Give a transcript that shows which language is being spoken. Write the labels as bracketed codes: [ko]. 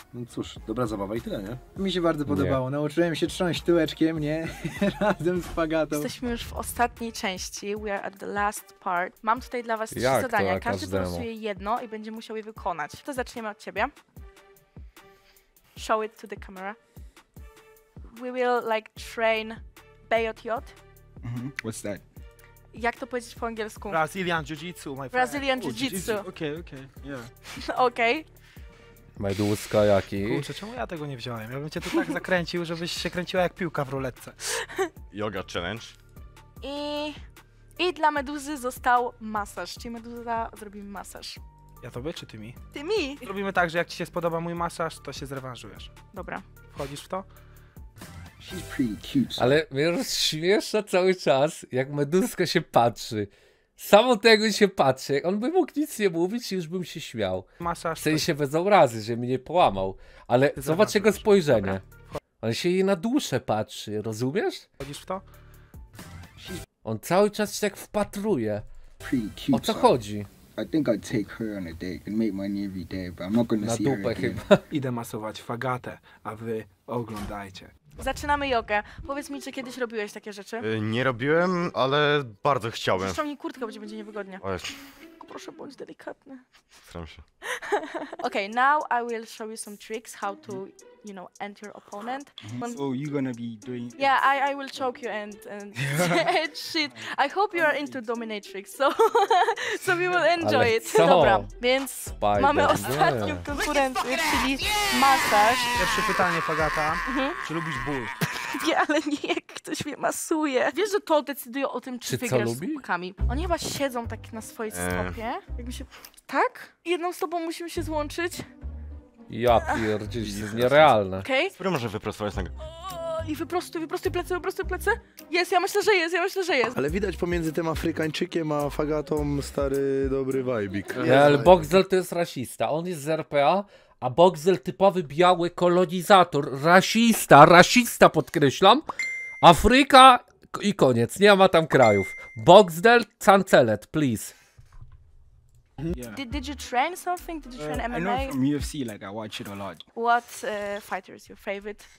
[pl] No cóż, dobra zabawa i tyle, nie? Mi się bardzo podobało. Nie. Nauczyłem się trząść tyłeczkiem, nie? Razem z Pagatą. Jesteśmy już w ostatniej części. [en] We are at the last part. [pl] Mam tutaj dla was trzy zadania. Każdy dostaje jedno i będzie musiał wykonać. To zaczniemy od ciebie. [en] Show it to the camera. We will like train Bayot. Mm-hmm. What's that? [pl] Jak to powiedzieć po angielsku? [en] Brazilian Jiu-Jitsu, my friend. Brazilian Jiu-Jitsu. [pl] Okej. Okay. Majduska jaki. Kurczę, czemu ja tego nie wziąłem? Ja bym cię tu tak zakręcił, żebyś się kręciła jak piłka w ruletce. [en] Yoga challenge. [pl] I dla Meduzy został masaż. Czyli Meduza zrobimy masaż. Ja tobie czy ty mi? Ty mi! Robimy tak, że jak ci się spodoba mój masaż, to się zrewanżujesz. Dobra. Wchodzisz w to? [en] She's pretty cute. [pl] Ale mnie rozśmiesza cały czas, jak Meduska się patrzy. Samo tego się patrzy. On by mógł nic nie mówić i już bym się śmiał. Masaż. W sensie bez obrazy, że mnie połamał. Ale zobacz jego spojrzenie. On się jej na duszę patrzy, rozumiesz? Wchodzisz w to? On cały czas się tak wpatruje. O co chodzi? [en] I think I'd take her on a date and make money every day, but I'm not gonna [pl] na [en] see [pl] dupę [en] her [pl] chyba. Idę masować Fagatę, a wy oglądajcie. Zaczynamy jogę. Powiedz mi, czy kiedyś robiłeś takie rzeczy? Nie robiłem, ale bardzo chciałbym. Zresztą mi kurtkę, bo ci będzie niewygodnie. Oj. Proszę, bądź delikatny. Staram się. [en] Okay, now I will show you some tricks how to, you know, end your opponent. Mm-hmm. Oh, you're gonna be doing... Yeah, I will choke you and and shit. I hope you are into dominatrix, so so we will enjoy it. [pl] Dobra, więc Spider. Mamy ostatnią konkurencję, czyli masaż. Pierwsze pytanie, Fagata. Mm-hmm. Czy lubisz ból? Nie, ale nie, jak ktoś mnie masuje. Wiesz, że to decyduje o tym, czy wygrasz z chłopakami. Oni chyba siedzą tak na swojej stopie. Jakby się... Tak? Jedną z tobą musimy się złączyć. Ja pierdzisz, to jest nierealne. Okej. Okay. Spróbuj może wyprostować nogę. I wyprostuj plecy. Jest, ja myślę, że jest. Ale widać pomiędzy tym Afrykańczykiem a Fagatą stary dobry vibik. Nie, ale Boxel to jest rasista. On jest z RPA. A Boxel typowy biały kolonizator, rasista podkreślam, Afryka i koniec, nie ma tam krajów. [en] Boxel, cancelet, please. Yeah. Did you train something? Did you train MMA? I know from UFC, like I watch it a lot. What fighter is your favorite?